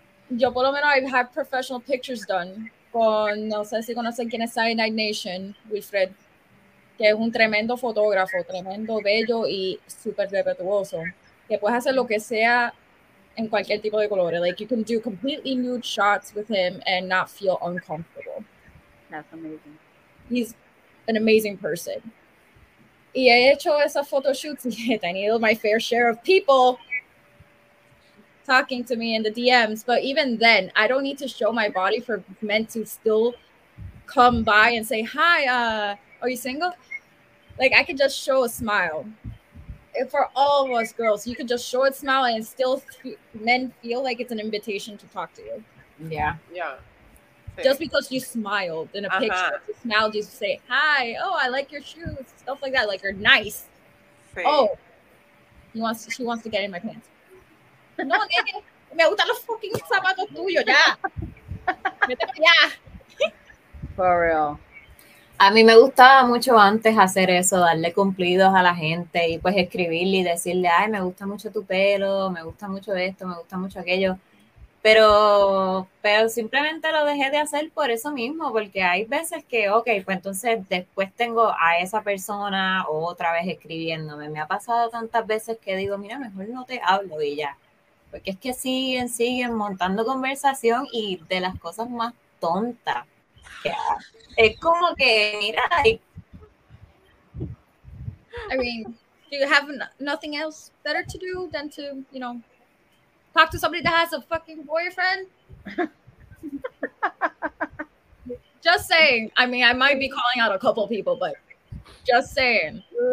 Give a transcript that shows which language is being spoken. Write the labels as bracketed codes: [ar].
[es] Yo por lo menos [en] I've had professional pictures done [es] con, no sé si conocen quién es Cyanide Nation, Wilfred. que es un tremendo fotógrafo, tremendo, bello y súper respetuoso, que puedes hacer lo que sea en cualquier tipo de color. [en] Like, you can do completely nude shots with him and not feel uncomfortable. That's amazing. He's an amazing person. [es] Y he hecho esas photoshoots y he tenido [en] my fair share of people talking to me in the DMs. But even then, I don't need to show my body for men to still come by and say, hi, are you single? Like, I could just show a smile. And for all of us girls, you could just show a smile and still men feel like it's an invitation to talk to you. Yeah. Yeah. Just because you smiled in a picture, smiled, you say, hi, oh, I like your shoes, stuff like that, like, you're nice. Sí. Oh, she wants to get in my pants. [es] No, nene, me gusta los fucking zapatos tuyos, ya. [en] Ya. For real. [es] A mí me gustaba mucho antes hacer eso, darle cumplidos a la gente y pues escribirle y decirle, ay, me gusta mucho tu pelo, me gusta mucho esto, me gusta mucho aquello. Pero simplemente lo dejé de hacer por eso mismo, porque hay veces que, ok, pues entonces después tengo a esa persona otra vez escribiéndome. Me ha pasado tantas veces que digo, mira, mejor no te hablo y ya. Porque es que siguen montando conversación y de las cosas más tontas. Yeah. Es como que, mira, [en] I mean, do you have nothing else better to do than to, you know, talk to somebody that has a fucking boyfriend? Just saying. I mean, I might be calling out a couple people, but just saying.